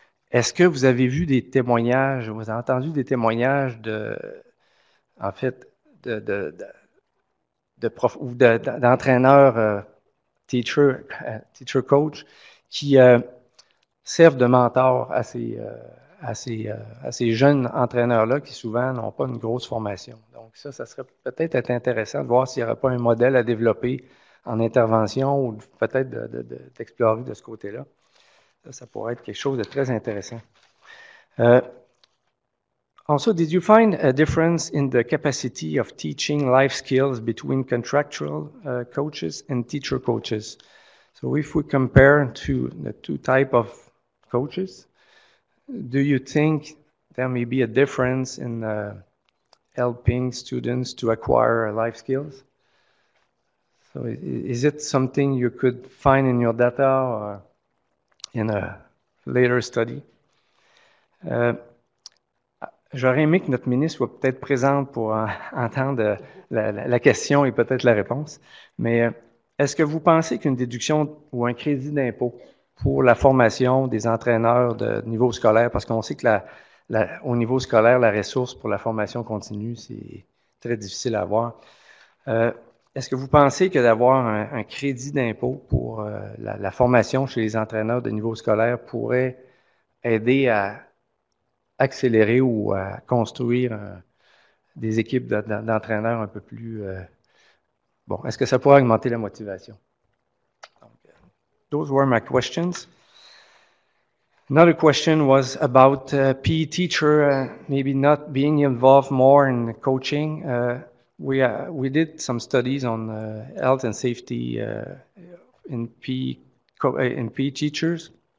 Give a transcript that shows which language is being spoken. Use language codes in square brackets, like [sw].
[fr] Est-ce que vous avez vu des témoignages, vous avez entendu des témoignages de, en fait, de prof ou de, d'entraîneurs, [en] teacher coach, [fr] qui servent de mentors à ces, à ces jeunes entraîneurs-là qui souvent n'ont pas une grosse formation? Donc ça, ça serait peut-être intéressant de voir s'il n'y aurait pas un modèle à développer en intervention ou peut-être d'explorer de ce côté-là. Ça pourrait être quelque chose de très intéressant. [en] Also, did you find a difference in the capacity of teaching life skills between contractual coaches and teacher coaches? So if we compare to the two type of coaches, do you think there may be a difference in helping students to acquire life skills? So is it something you could find in your data or in a later study? [fr] J'aurais aimé que notre ministre soit peut-être présente pour entendre la question et peut-être la réponse. Mais est-ce que vous pensez qu'une déduction ou un crédit d'impôt pour la formation des entraîneurs de niveau scolaire, parce qu'on sait que au niveau scolaire, la ressource pour la formation continue, c'est très difficile à avoir. Est-ce que vous pensez que d'avoir un crédit d'impôt pour la formation chez les entraîneurs de niveau scolaire pourrait aider à accélérer ou à construire des équipes d'entraîneurs un peu plus... bon, est-ce que ça pourrait augmenter la motivation? [en] Those were my questions. Another question was about PE teacher maybe not being involved more in coaching. We did some studies on health and safety in PE teachers.